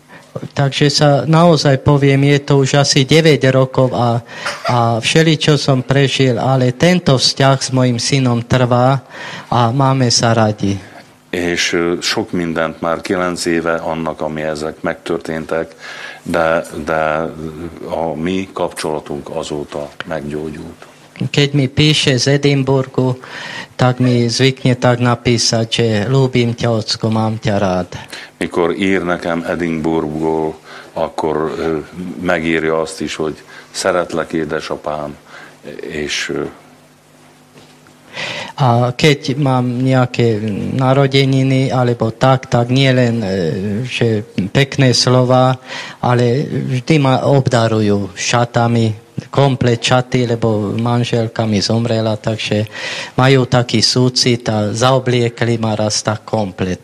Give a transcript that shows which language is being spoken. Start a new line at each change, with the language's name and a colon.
Slovak: Takže sa naozaj poviem, je to už asi 9 rokov a všeličo som prežil, ale tento vzťah s mojim synom trvá a máme sa radi.
Hungarian: És sok mindent már 9 éve annak, ami ezek megtörténtek, de a mi kapcsolatunk azóta meggyógyult.
Slovak: Keď mi píše z Edinburgu, tak mi zvykne tak napísať, že ľúbim ťa, ocko, mám ťa rád.
Hungarian: Mikor ír nekem Edinburgból, akkor megírja azt is, hogy szeretlek, édesapám, és...
Slovak: A keď mám nejaké narodeniny, alebo tak nie len, že pekné slova, ale vždy ma obdarujú šatami, komplet šaty, lebo manželka mi zomrela, takže majú taký súcit a zaobliekli ma raz tak komplet.